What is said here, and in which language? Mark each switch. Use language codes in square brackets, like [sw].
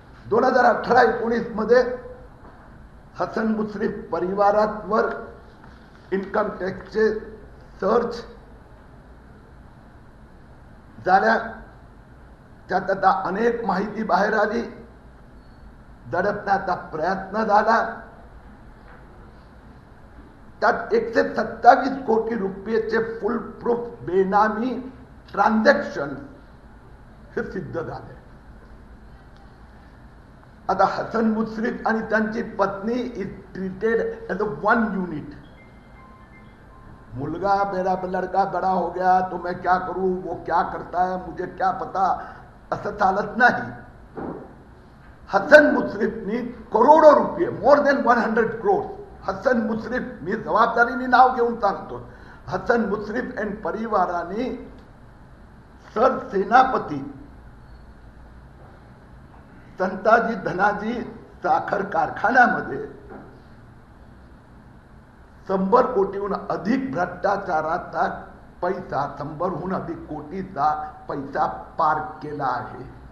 [mr] 2018-19 मध्ये Hasan Mushrif परिवारावर income टॅक्सचे search झाल्या, त्यात आता अनेक माहिती बाहेर आली, दडपण्याचा प्रयत्न झाला, त्यात 127 कोटी रुपयाचे फुल प्रूफ बेनामी ट्रान्झॅक्शन हे सिद्ध झाले. आता हसन मुश्रीफ आणि त्यांची पत्नी [en] Is treated as a one unit. [hi] मुलगा मेरा लड़का बड़ा हो गया तो मैं क्या करूं, वो क्या करता है मुझे क्या पता, [mr] असं चालत नाही. हसन मुश्रीफनी करोडो रुपये, [en] more than 100 crores, [mr] Hasan Mushrif मी जबाबदारीने नाव घेऊन सांगतो, हसन मुश्रीफ एंड परिवाराने सर सेनापती संताजी धनाजी साखर कारखान्यामध्ये 100 कोटीहून अधिक भ्रष्टाचाराचा पैसा, 100 कोटीचा पैसा पार्क केला आहे.